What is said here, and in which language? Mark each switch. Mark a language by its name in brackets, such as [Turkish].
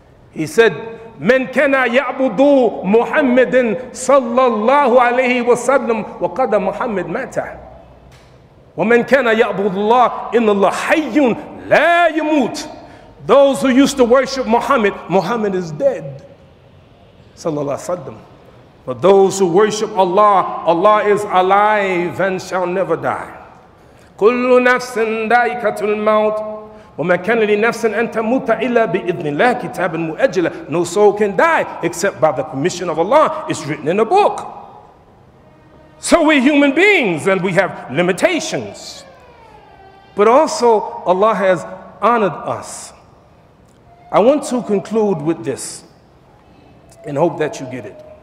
[English] He said, [Arabic] من كان يعبد محمد صلى الله عليه وسلم وقد محمد مات. ومن كان يعبد الله إن الله حي لا يموت. [English] Those who used to worship Muhammad, Muhammad is dead. [Arabic] صلى الله عليه وسلم. [English] But those who worship Allah, Allah is alive and shall never die. [Arabic] كل نفس ذائقة الموت وما كان لنفس أن تموت إلا بإذن الله كتاب مؤجل. [English] No soul can die except by the permission of Allah. It's written in a book. So we're human beings and we have limitations. But also Allah has honored us. I want to conclude with this and hope that you get it.